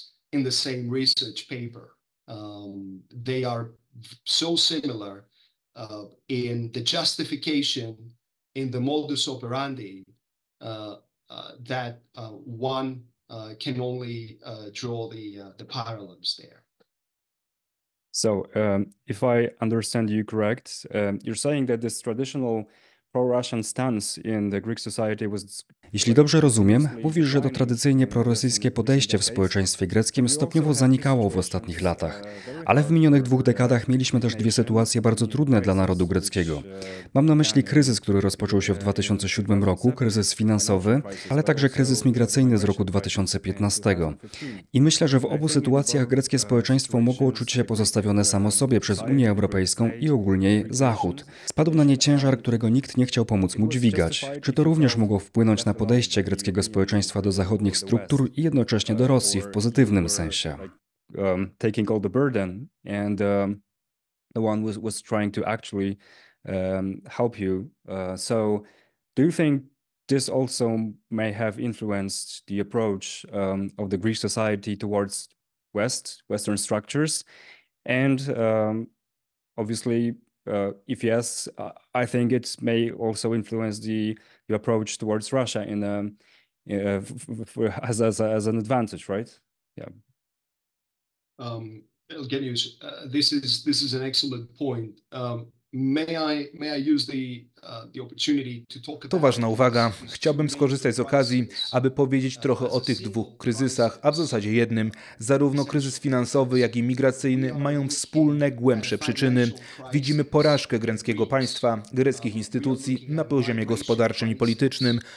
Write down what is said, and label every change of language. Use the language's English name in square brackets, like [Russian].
[English] In the same research paper. They are so similar in the justification, in the modus operandi, that one can only draw the parallels there. So, if I understand you correct, you're saying that this traditional pro-Russian stance in the Greek society was... [Polish] Jeśli dobrze rozumiem, mówisz, że to tradycyjnie prorosyjskie podejście w społeczeństwie greckim stopniowo zanikało w ostatnich latach. Ale w minionych dwóch dekadach mieliśmy też dwie sytuacje bardzo trudne dla narodu greckiego. Mam na myśli kryzys, który rozpoczął się w 2007 roku, kryzys finansowy, ale także kryzys migracyjny z roku 2015. I myślę, że w obu sytuacjach greckie społeczeństwo mogło czuć się pozostawione samo sobie przez Unię Europejską i ogólnie Zachód. Spadł na nie ciężar, którego nikt nie chciał pomóc mu dźwigać. Czy to również mogło wpłynąć na podejście greckiego społeczeństwa do zachodnich struktur i jednocześnie do Rosji w pozytywnym sensie. [English] Taking all the burden and the one was trying to actually help you. So do you think this also may have influenced the approach of the Greek society towards West, Western structures? And obviously, if yes, I think it may also influence the approach towards Russia in as an advantage, right? Yeah. Elgenius, this is an excellent point. May I use the opportunity to talk about... [Polish] To ważna uwaga. Chciałbym skorzystać z okazji, aby powiedzieć trochę o tych dwóch kryzysach, a w zasadzie jednym. Zarówno kryzys finansowy, jak i migracyjny mają wspólne, głębsze przyczyny. Widzimy porażkę greckiego państwa, greckich instytucji na poziomie gospodarczym i politycznym.